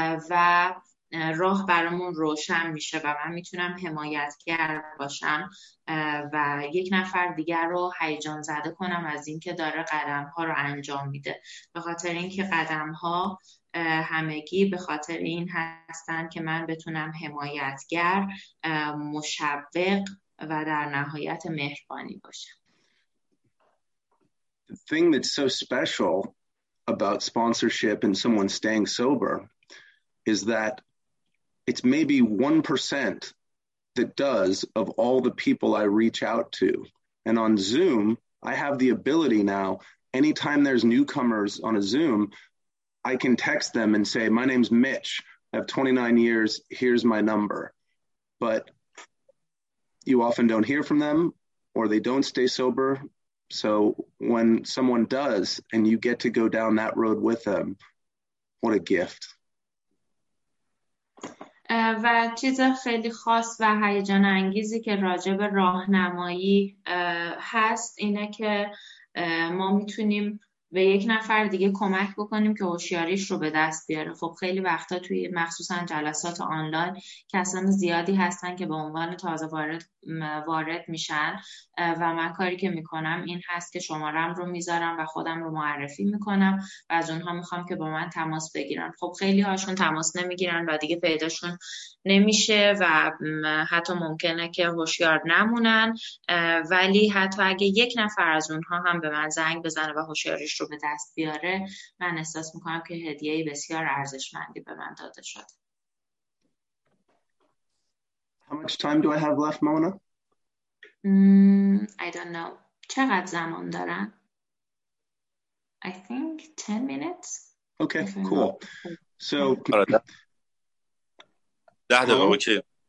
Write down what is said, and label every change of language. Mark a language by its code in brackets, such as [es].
[fa] و راه برامون روشن میشه و من میتونم حمایتگر باشم و یک نفر دیگر رو هیجان زده کنم از اینکه داره قدم ها رو انجام میده، به خاطر اینکه قدم ها همگی به خاطر این هستن که من بتونم حمایتگر، مشوق و در نهایت مهربانی باشم. [en] The thing that's so special about sponsorship and someone staying sober is that it's maybe 1% that does of all the people I reach out to. And on Zoom, I have the ability now, anytime there's newcomers on a Zoom, I can text them and say, my name's Mitch, I have 29 years, here's my number. But you often don't hear from them or they don't stay sober. So when someone does and you get to go down that road with them, what a gift. [fa] و چیز خیلی خاص و هیجان انگیزی که راجع به راهنمایی هست اینه که ما میتونیم به یک نفر دیگه کمک بکنیم که هوشیاریش رو به دست بیاره. خب خیلی وقتا توی مخصوصا جلسات آنلاین کسان زیادی هستن که به عنوان تازه وارد میشن و من کاری که میکنم این هست که شمارم رو میذارم و خودم رو معرفی میکنم و از اونها میخوام که با من تماس بگیرن. خب خیلی هاشون تماس نمیگیرن و دیگه پیداشون نمیشه و حتی ممکنه که هوشیار نمونن، ولی حتی اگه یک نفر از اونها هم به من زنگ بزنه و هوشیاریش رو به دست بیاره، من احساس میکنم که هدیه بسیار ارزشمندی به من داده شد. [en] How much time do I have left, Mona? I don't know. [fa] چقدر زمان دارن؟ [en] I think 10 minutes. Okay, cool. So, [fa] ده دقیقه اوکی.